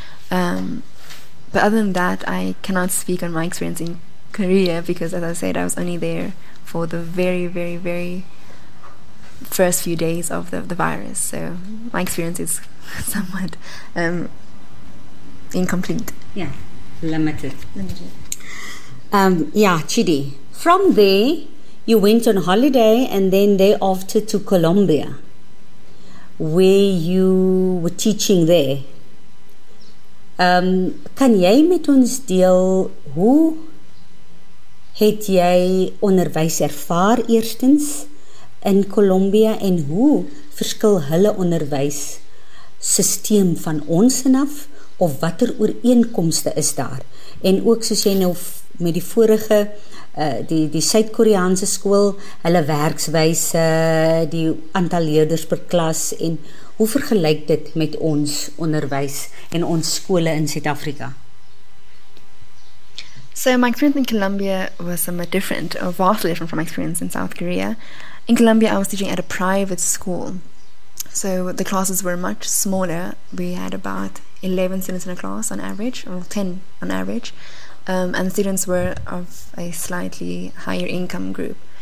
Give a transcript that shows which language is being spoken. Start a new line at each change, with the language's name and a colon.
English: But other than that, I cannot speak on my experience in Korea because, as I said, I was only there for the very, very, very first few days of the virus, so my experience is somewhat incomplete. Yeah, limited. Limited. Yeah, Chidi, from there, you went on holiday and then thereafter to Colombia, where you were teaching there.
Afrikaans: Kan jy met ons deel, hoe het jy onderwys ervaar eerstens in Colombia en hoe verskil hulle onderwys systeem van ons af of watter ooreenkomste is daar? En ook soos jy nou met die vorige, die Suid-Koreaanse skool, hulle werkswyse, die aantal leerders per klas en hoe vergelyk dit met ons onderwys en ons skole in Suid-Afrika?
English: So my experience in Colombia was somewhat different, or vastly different from my experience in South Korea. In Colombia, I was teaching at a private school, so the classes were much smaller. We had about 11 students in a class on average, or 10 on average, and the students were of a slightly higher income group.